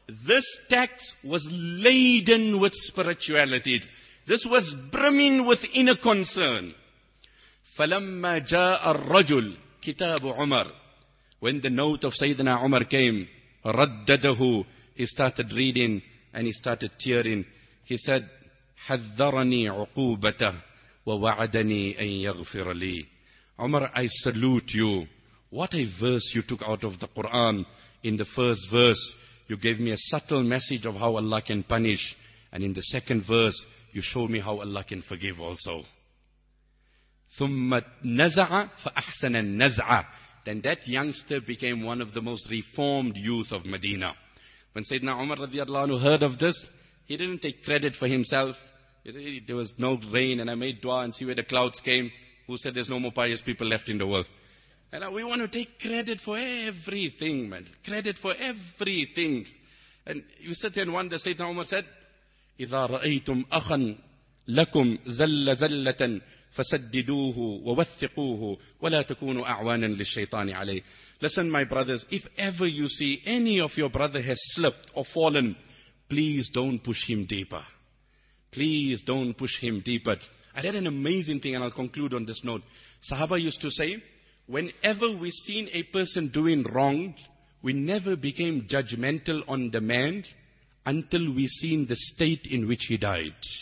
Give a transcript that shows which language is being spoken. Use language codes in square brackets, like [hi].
[en] This text was laden with spirituality. This was brimming with inner concern. [ar] فَلَمَّا جَاءَ الرَّجُلْ كِتَابُ عُمَرٍ. [en] When the note of Sayyidina Umar came, [ar] رَدَّدَهُ, [en] he started reading and he started tearing. He said, [ar] حَذَّرَنِي عُقُوبَتَهُ وَوَعَدَنِي أَن يَغْفِرَ لِي. [en] Umar, I salute you. What a verse you took out of the Quran. In the first verse, you gave me a subtle message of how Allah can punish. And in the second verse, you showed me how Allah can forgive also. [ar] ثُمَّ نَزَعَ فَأَحْسَنَ النَّزَعَ. [en] Then that youngster became one of the most reformed youth of Medina. When Sayyidina Umar radiallahu anhu heard of this, he didn't take credit for himself. There was no rain and I made dua and see where the clouds came. Who said there's no more pious people left in the world? And we want to take credit for everything, man. Credit for everything. And you sit there and wonder, Sayyidina Umar said, [ar] إِذَا رَأَيْتُمْ أَخًا لَكُمْ زَلَّ زَلَّةً فَسَدِّدُوهُ وَوَثِّقُوهُ وَلَا تَكُونُوا أَعْوَانًا لِلشَّيْطَانِ عَلَيْهِ. [en] Listen, my brothers, if ever you see any of your brother has slipped or fallen, please don't push him deeper. Please don't push him deeper. I read an amazing thing and I'll conclude on this note. Sahaba used to say, whenever we seen a person doing wrong, we never became judgmental on the man until we seen the state in which he died.